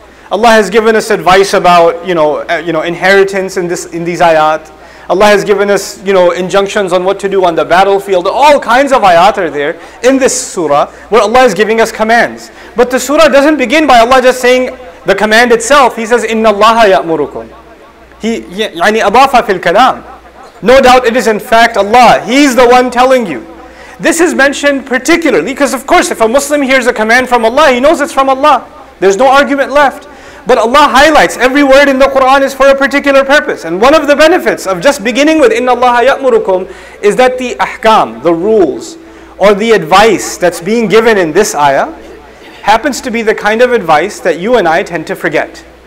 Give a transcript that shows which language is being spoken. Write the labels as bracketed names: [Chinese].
[English] Allah has given us advice about inheritance in these ayat. Allah has given us, injunctions on what to do on the battlefield. All kinds of ayat are there in this surah where Allah is giving us commands. But the surah doesn't begin by Allah just saying the command itself. [Arabic] He says, إِنَّ اللَّهَ يَأْمُرُكُمْ. He, يعني أضاف في الكلام. [English] No doubt it is in fact Allah. He's the one telling you. This is mentioned particularly because of course if a Muslim hears a command from Allah, he knows it's from Allah. There's no argument left. But Allah highlights every word in the Quran is for a particular purpose. And one of the benefits of just beginning with إِنَّ اللَّهَ يَأْمُرُكُمْ is that the ahkam, the rules, or the advice that's being given in this ayah happens to be the kind of advice that you and I tend to forget.